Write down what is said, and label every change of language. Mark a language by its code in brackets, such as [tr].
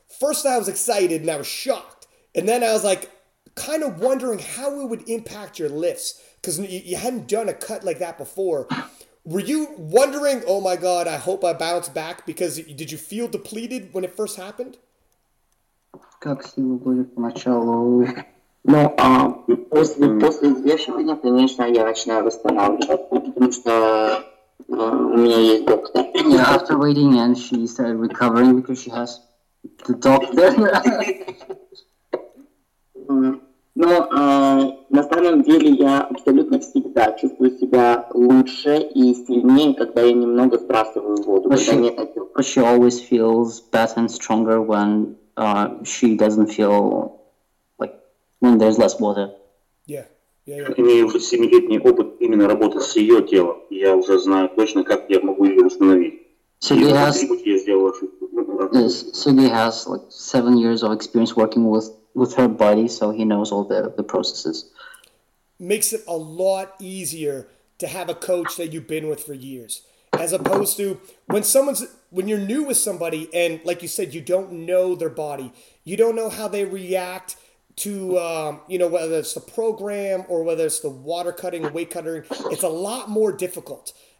[en] First, I was excited and I was shocked. And then I was like, kind of wondering how it would impact your lifts because you hadn't done a cut like that before. Were you wondering, oh my God, I hope I bounce back? Because did you feel depleted when it first happened? [ru] Как сила будет поначалу? Ну, после взвешивания, конечно, я начинаю восстанавливаться, потому что у меня есть доктор. [en] Yeah, after waiting and she started recovering because she has... The doctor. [ru] Но на самом деле я абсолютно всегда чувствую себя лучше и сильнее, когда я немного сбрасываю воду. [en] She always feels better and stronger when she doesn't feel like when there's less water. Yeah. [ru] Имею уже 7-летний опыт именно работы с ее телом. Я уже знаю точно, как я могу ее восстановить. [en] So he has like 7 years of experience working with her body, so he knows all the processes. Makes it a lot easier to have a coach that you've been with for years, as opposed to when you're new with somebody and, like you said, you don't know their body, you don't know how they react to, whether it's the program or whether it's the water cutting, weight cutting, it's a lot more difficult.